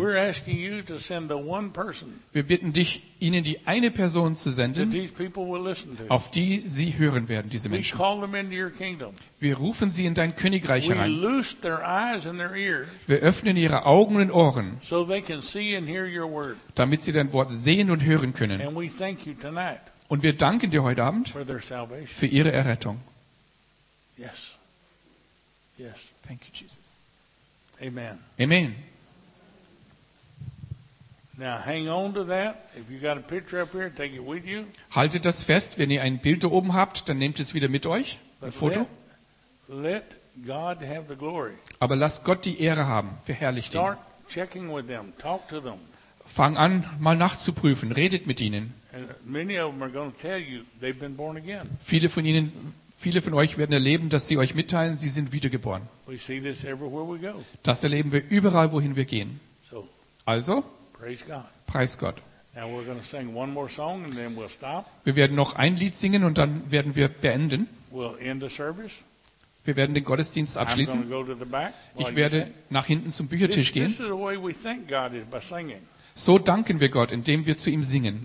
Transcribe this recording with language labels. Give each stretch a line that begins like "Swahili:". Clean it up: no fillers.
English: We're asking you to send the one person.
German: Wir bitten dich, ihnen die eine Person zu senden,
English: that these people will listen to.
German: Auf die sie hören werden, diese Menschen.
English: We call them into your kingdom.
German: Wir rufen sie in dein Königreich herein.
English: We loose their eyes and their ears.
German: Wir öffnen ihre Augen und Ohren,
English: so they can see and hear your word.
German: Damit sie dein Wort sehen und hören können.
English: And we thank you tonight.
German: Und wir danken dir heute Abend
English: for their salvation.
German: Für ihre Errettung.
English: Yes. Yes. Thank you, Jesus. Amen. Amen. Now hang on to that. If you got a picture up here, take it with you.
German: Haltet das fest. Wenn ihr ein Bild da oben habt, dann nehmt es wieder mit euch. Ein Foto.
English: Let God have the glory.
German: Aber lass Gott die Ehre haben. Verherrlicht ihn.
English: Start checking with them. Talk to them.
German: Fang an, mal nachzuprüfen. Redet mit ihnen.
English: And many of them are going to tell you they've been born again.
German: Viele von euch werden erleben, dass sie euch mitteilen, sie sind wiedergeboren.
English: We see this everywhere we go.
German: Das erleben wir überall, wohin wir gehen.
English: So.
German: Also.
English: Praise God.
German: Preis Gott.
English: Now we're going to sing one more song and then we'll stop.
German: Wir werden noch ein Lied singen und dann werden wir beenden.
English: We'll end the service.
German: Wir werden den Gottesdienst abschließen.
English: Go back,
German: ich werde nach hinten zum Büchertisch gehen.
English: This is the way we think God is, by singing.
German: So danken wir Gott, indem wir zu ihm singen.